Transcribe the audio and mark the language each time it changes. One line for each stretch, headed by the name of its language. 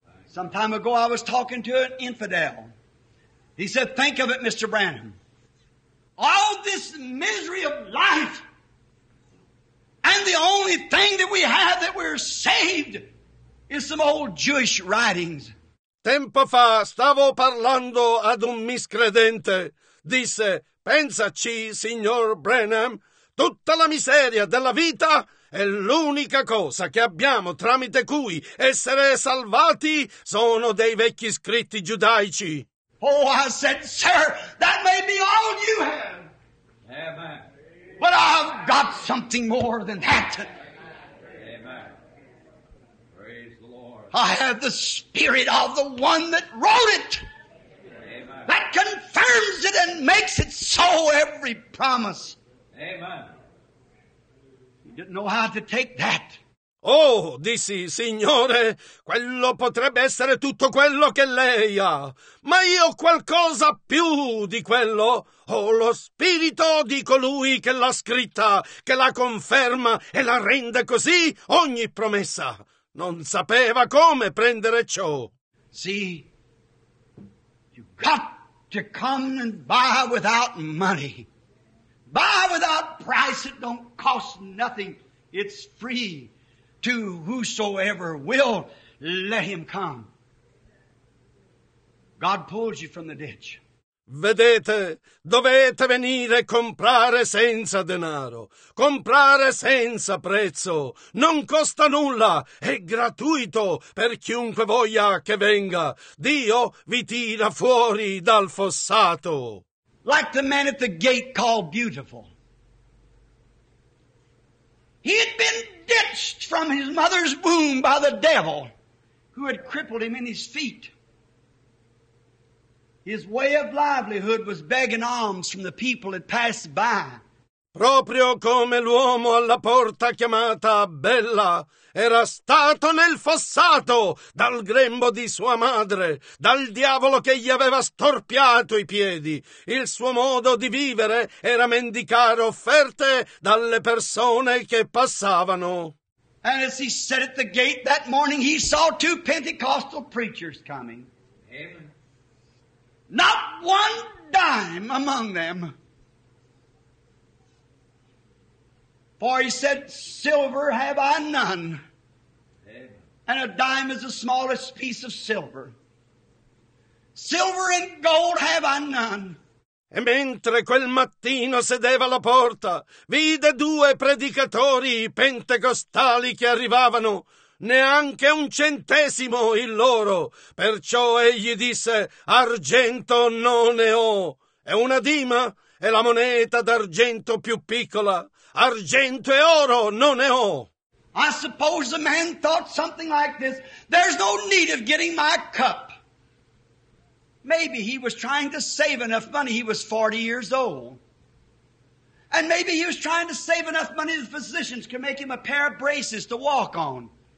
English: Some time ago I was talking to an infidel. He said, think of it, Mr. Branham. All this misery of life, and the only thing that we have that we're saved is some old Jewish writings.
Italian: Tempo fa stavo parlando ad un miscredente. Disse, pensaci, signor Branham, tutta la miseria della vita è l'unica cosa che abbiamo tramite cui essere salvati sono dei vecchi scritti giudaici.
English: Oh, I said, sir, that may be all you have. Amen. But I've got something more than that. Amen. Praise the Lord. I have the spirit of the one that wrote it. Amen. That confirms it and makes it so, every promise. Amen. You didn't know how to take that.
Italian: Oh, dissi, signore, quello potrebbe essere tutto quello che lei ha, ma io ho qualcosa più di quello. Ho lo spirito di colui che l'ha scritta, che la conferma e la rende così ogni promessa. Non sapeva come prendere ciò.
English: See, you got to come and buy without money. Buy without price, it don't cost nothing. It's free. To whosoever will, let him come. God pulls you from the ditch.
Italian: Vedete, dovete venire a comprare senza denaro. Comprare senza prezzo. Non costa nulla. È gratuito per chiunque voglia che venga. Dio vi tira fuori dal fossato.
English: Like the man at the gate called Beautiful. He had been ditched from his mother's womb by the devil who had crippled him in his feet. His way of livelihood was begging alms from the people that passed by.
Italian: Proprio come l'uomo alla porta chiamata Bella era stato nel fossato dal grembo di sua madre, dal diavolo che gli aveva storpiato i piedi. Il suo modo di vivere era mendicare offerte dalle persone che passavano.
English: And as he sat at the gate that morning, he saw two Pentecostal preachers coming. Amen. Not one dime among them. For he said, silver have I none. And a dime is the smallest piece of silver. Silver and gold have I none.
Italian: E mentre quel mattino sedeva alla porta, vide due predicatori pentecostali che arrivavano, neanche un centesimo il loro. Perciò egli disse, argento non ne ho. E una dima è la moneta d'argento più piccola. Argento e oro non ne ho.
English: I suppose the man thought something like this. There's no need of getting my cup. Maybe he was trying to save enough money. He was 40 years old. And maybe he was trying to save enough money the physicians could make him a pair of braces to walk on.